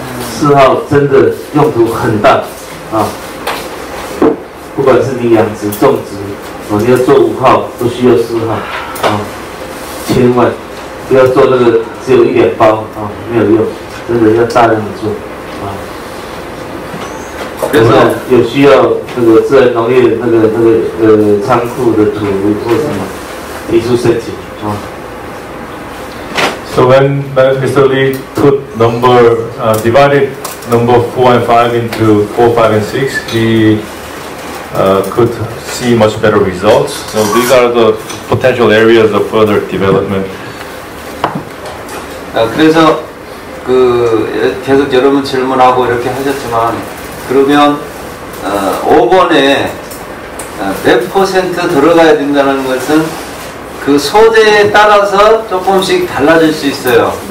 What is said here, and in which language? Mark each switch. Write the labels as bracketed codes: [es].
[zh] 四号真的用途很大啊！不管是你养殖、种植，哦，你要做五号，都需要四号，啊，千万不要做那个只有一点包，啊，没有用，真的要大量的做，啊。比如说有需要那个自然农业那个仓库的土或什么，提出申请，啊。 [en] So when Mr. Lee put number divided number 4 and 5 into 4, 5 and 6, he could see much better results. So these are the potential areas of further development. [ko] 그래서 그 계속 여러분 질문하고 이렇게 하셨지만 그러면 5번에 몇 퍼센트 들어가야 된다는 것은 그 소재에 따라서 조금씩 달라질 수 있어요.